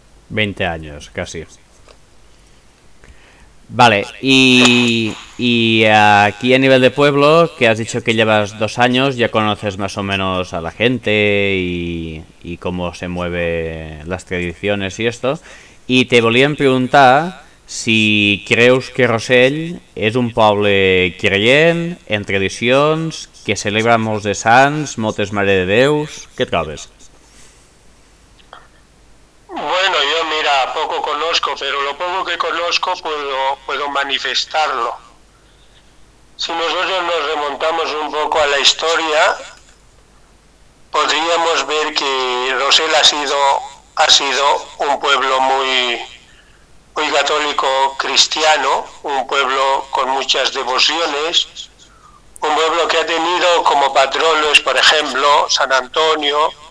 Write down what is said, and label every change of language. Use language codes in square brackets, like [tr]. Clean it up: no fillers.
[es] 20 años, casi. Vale, y aquí a nivel de pueblo, que has dicho que llevas 2 años, ya conoces más o menos a la gente y cómo se mueven las tradiciones y esto. Y te [ca] volían preguntar si creus que Rossell és un poble creient, en tradicions, que celebra molts de sants, moltes Mare de Déus... Què trobes? [es] Bueno, yo mira, poco conozco, pero lo poco que conozco puedo manifestarlo. Si nosotros nos remontamos un poco a la historia, podríamos ver que Rossell ha sido un pueblo muy católico cristiano, un pueblo con muchas devociones, un pueblo que ha tenido como patrones, por ejemplo, San Antonio,